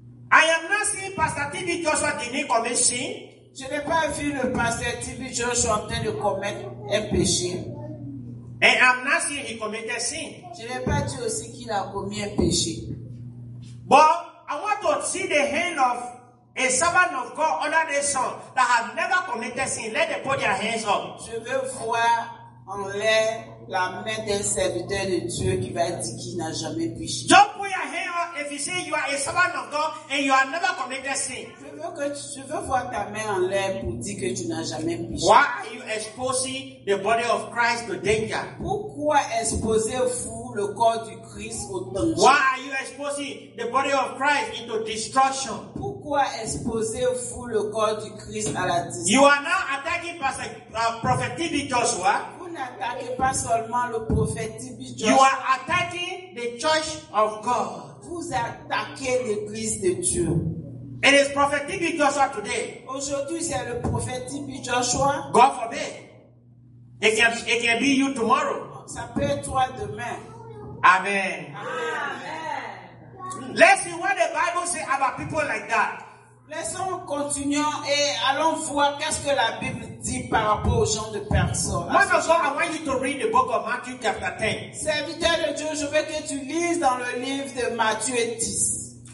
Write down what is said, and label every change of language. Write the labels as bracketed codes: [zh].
[en] I am not seeing Pastor TB Joshua didn't commit sin. [fr] Je n'ai pas vu le pasteur TB Joshua en train de commettre un péché. [en] And I'm not seeing he committed sin. [fr] Je n'ai pas dit aussi qu'il a commis un péché. [en] But I want to see the hand of a servant of God under the sun that has never committed sin. Let them put their hands up. [fr] Je veux voir en l'air la main d'un serviteur de Dieu qui va dire qu'il n'a jamais péché. [en] Don't put your hand up if you say you are a servant of God and you have never committed sin. [fr] Je veux voir ta main en l'air pour dire que tu n'as jamais péché. [en] Why are you exposing the body of Christ to danger? [fr] Pourquoi exposez-vous le corps du Christ au danger? [en] Why are you exposing the body of Christ into destruction? [fr] Pourquoi exposez-vous le corps du Christ à la destruction? [en] You are now attacking Prophet TB Joshua. [fr] Vous n'attaquez pas seulement le prophète TB Joshua. [en] You are attacking the church of God. [fr] Vous attaquez l'église de Dieu. [en] It is Prophet TB Joshua today. [fr] Aujourd'hui, c'est le prophète TB Joshua. [en] God forbid. It can be you tomorrow. [fr] Ça peut être toi demain. [en] Amen. [fr] Amen. [en] Let's see what the Bible says about people like that. [fr] Laissons continuer et allons voir qu'est-ce que la Bible dit par rapport aux gens de personnes. Moi, je veux que tu lises le livre de Matthieu, chapitre 10. Serviteur de Dieu, je veux que tu lises dans le livre de Matthieu 10.